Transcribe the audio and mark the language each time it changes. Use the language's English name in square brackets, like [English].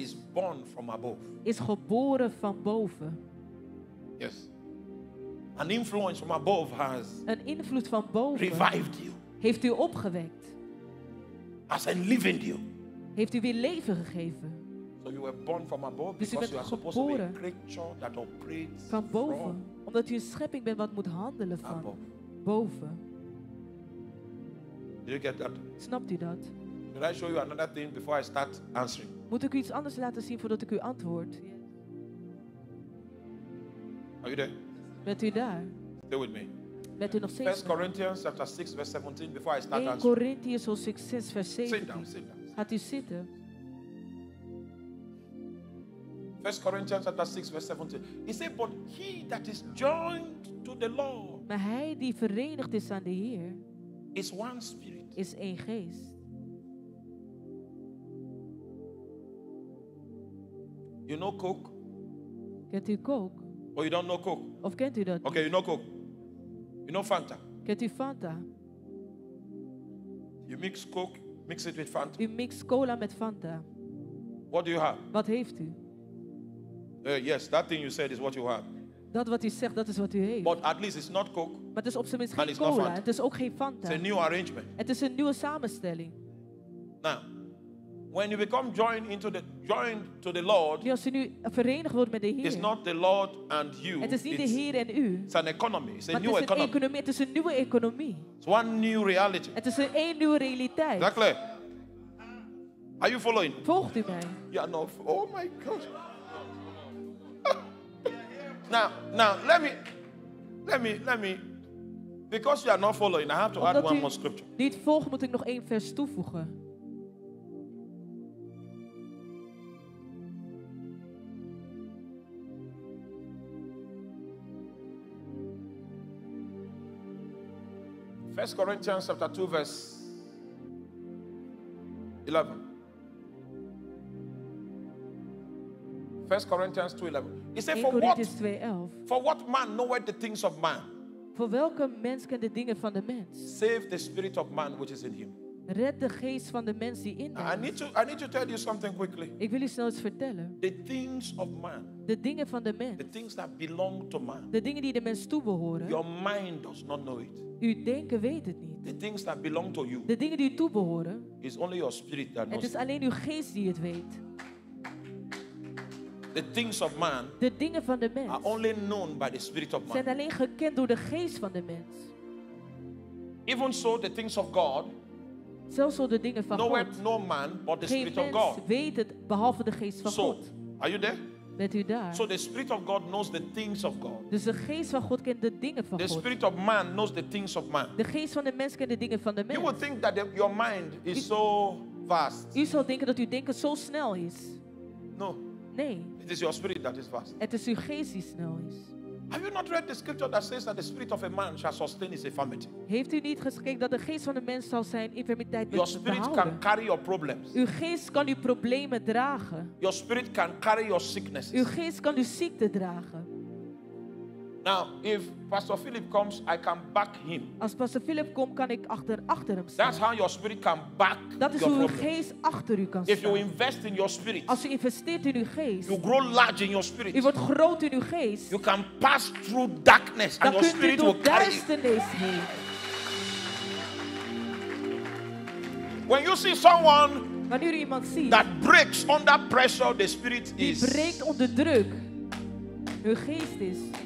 [English] is born from above. [Dutch] Is geboren van boven. [English] Yes. An influence from above has [Dutch] een invloed van boven [English] revived you. [Dutch] Heeft u opgewekt. [English] Has enlivened you. [Dutch] Heeft u weer leven gegeven. [English] So you were born from above [Dutch] dus [English] because [Dutch] u [English] are supposed to be a creature that operates [Dutch] van boven. [English] From [Dutch] omdat u een schepping bent wat moet handelen van [English] above. [Dutch] Boven. [English] Did you get that? [Dutch] Snapt u dat? [English] Can I show you another thing before I start answering? [Dutch] Moet ik u iets anders laten zien voordat ik u antwoord? [English] Are you there? [Dutch] Bent u daar? [English] Stay with me. [Dutch] Bent u nog steeds? [English] 1 Corinthians chapter 6 verse 17 before I start answering. 1 Corinthians 6 verse 17. Sit down. [Dutch] Gaat u zitten. [English] 1 Corinthians chapter 6 verse 17. He said, but he that is joined to the Lord. [Dutch] Maar hij die verenigd is aan de Heer. [English] Is one spirit. [Dutch] Is één geest. [English] You know Coke? [Dutch] Kent u Coke? [English] Or you don't know Coke? [Dutch] Of kent u dat? [English] Okay, you know Coke. You know Fanta? [Dutch] Kent u Fanta? [English] You mix Coke, mix it with Fanta. [Dutch] U mix cola met Fanta. [English] What do you have? [Dutch] Wat heeft u? [English] Yes, that thing you said is what you have. [Dutch] Dat wat u zegt, dat is wat u heeft. [English] But at least it's not Coke. [Dutch] Maar het is op zijn minst geen cola. Het is ook geen Fanta. [English] It's a new arrangement. [Dutch] Het is een nieuwe samenstelling. [English] Now. When you become joined to the Lord, [Dutch] als je nu verenigd wordt met de Heer, [English] it's not the Lord and you. [Dutch] Het is niet de Heer en u. [English] It's an economy. It's a new economy. [Dutch] Economie, het is een nieuwe economie. [English] It's one new reality. [Dutch] Het is een nieuwe realiteit. Is dat [English] clear? Are you following? [Dutch] Volgt u mij? [English] Ja, yeah, no. Oh my God. now, let me, because you are not following, I have to [Dutch] omdat [English] add one more scripture. [Dutch] Niet volgt, moet ik nog één vers toevoegen. [English] First Corinthians chapter 2 verse 11. First Corinthians 2:11. He said, For what man knoweth the things of man? [Dutch] Voor welke mens kent de dingen van de mens? [English] Save the spirit of man which is in him. [Dutch] Red de geest van de mens die in hem is. [English] I need to tell you something quickly. [Dutch] Ik wil u snel iets vertellen. [English] The things of man. [Dutch] De dingen van de mens. [English] The things that belong to man. [Dutch] De dingen die de mens toebehoren. [English] Your mind does not know it. [Dutch] Uw denken weet het niet. [English] The things that belong to you. [Dutch] De dingen die u toebehoren. [English] Is only your spirit that knows. [Dutch] Het is alleen uw geest die het weet. [English] The things of man. [Dutch] De dingen van de mens. [English] Are only known by the spirit of man. [Dutch] Zijn alleen gekend door de geest van de mens. [English] Even so, the things of God. [Dutch] Zelfs zo de dingen van God. [English] No man but the [Dutch] geen [English] spirit of God. [Dutch] Weet het behalve de geest van God. [English] Are you there? [Dutch] Bent u daar? [English] So the spirit of God knows the things of God. [Dutch] Dus de geest van God kent de dingen van [English] the [Dutch] God. [English] The spirit of man knows the things of man. [Dutch] De geest van de mens kent de dingen van de mens. [English] You would think that your mind is so vast. [Dutch] U zou denken dat uw denken zo snel is. [English] No. [Dutch] Nee. [English] It is your spirit that is vast. [Dutch] Het is uw geest die snel is. [English] Have you not read the scripture that says that the spirit of a man shall sustain his infirmity? [Dutch] Heeft u niet gekeken dat de geest van de mens zal zijn infirmiteit behouden? [English] Your spirit can carry your problems. [Dutch] Uw geest kan uw problemen dragen. [English] Your spirit can carry your sicknesses. [Dutch] Uw geest kan uw ziekte dragen. [English] Now, if Pastor Philip comes, I can back him. [Dutch] Als Pastor Philip komt, kan ik achter hem staan. [English] That's how your spirit can back your [Dutch] problem. Dat is hoe uw geest achter u kan staan. [English] If you invest in your spirit, [Dutch] als u investeert in uw geest, [English] you grow large in your spirit. [Dutch] U wordt groot in uw geest. [English] You can pass through darkness, and your spirit will carry you. [Dutch] Dan kunt u door duisternis heen. [English] When you see someone [Dutch] wanneer u iemand ziet, [English] that breaks under pressure, the spirit [Dutch] die [English] is. [Dutch] Die breekt onder druk. Uw geest is.